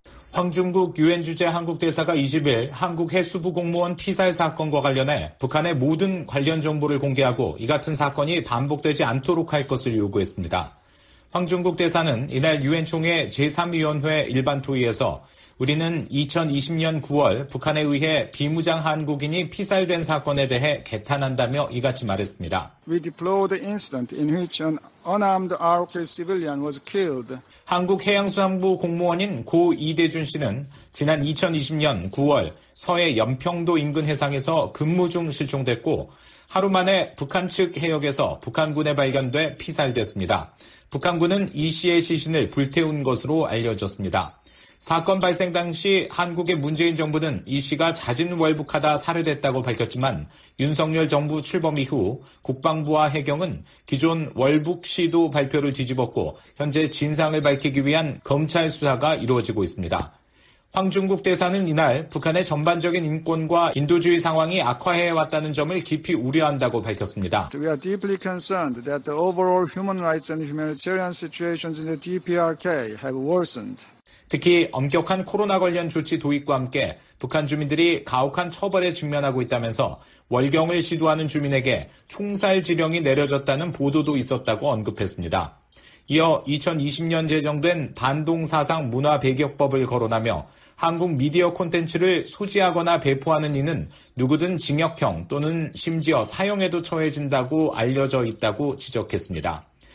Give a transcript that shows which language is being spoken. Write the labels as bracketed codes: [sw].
[ko] 황중국 유엔 주재 한국 대사가 20일 한국 해수부 공무원 피살 사건과 관련해 북한의 모든 관련 정보를 공개하고 이 같은 사건이 반복되지 않도록 할 것을 요구했습니다. 황중국 대사는 이날 유엔 총회 제3위원회 일반 토의에서 우리는 2020년 9월 북한에 의해 비무장 한국인이 피살된 사건에 대해 개탄한다며 이같이 말했습니다. [en] We deplore the incident in which an unarmed ROK civilian was killed. [ko] 한국 해양수산부 공무원인 고 이대준 씨는 지난 2020년 9월 서해 연평도 인근 해상에서 근무 중 실종됐고 하루 만에 북한 측 해역에서 북한군에 발견돼 피살됐습니다. 북한군은 이 씨의 시신을 불태운 것으로 알려졌습니다. 사건 발생 당시 한국의 문재인 정부는 이 씨가 자진 월북하다 살해됐다고 밝혔지만 윤석열 정부 출범 이후 국방부와 해경은 기존 월북 시도 발표를 뒤집었고 현재 진상을 밝히기 위한 검찰 수사가 이루어지고 있습니다. 황중국 대사는 이날 북한의 전반적인 인권과 인도주의 상황이 악화해왔다는 점을 깊이 우려한다고 밝혔습니다. [en] We are deeply concerned that the overall human rights and humanitarian situations in the DPRK have worsened. [ko] 특히 엄격한 코로나 관련 조치 도입과 함께 북한 주민들이 가혹한 처벌에 직면하고 있다면서 월경을 시도하는 주민에게 총살 지령이 내려졌다는 보도도 있었다고 언급했습니다. 이어 2020년 제정된 반동사상 문화배격법을 거론하며 한국 미디어 콘텐츠를 소지하거나 배포하는 이는 누구든 징역형 또는 심지어 사형에도 처해진다고 알려져 있다고 지적했습니다.